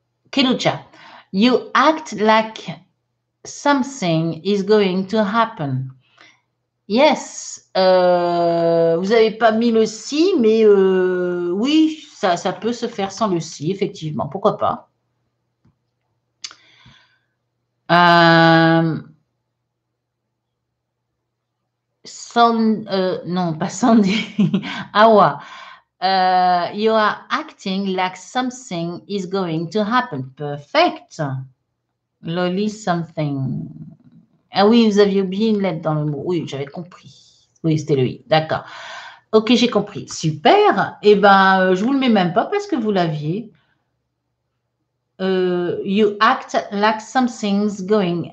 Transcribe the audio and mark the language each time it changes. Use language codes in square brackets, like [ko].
[en] Kelucha, you act like something is going to happen. [fr] Yes, vous n'avez pas mis le si, mais oui, ça peut se faire sans le si, effectivement. Pourquoi pas? Non, pas Sandy. Awa. [en] You are acting like something is going to happen. Perfect. Loli something. [fr] Ah oui, vous aviez oublié une lettre dans le mot. Oui, j'avais compris. Oui, c'était le i. D'accord. Ok, j'ai compris. Super. Eh ben, je vous le mets même pas parce que vous l'aviez. [en] You act like something's going.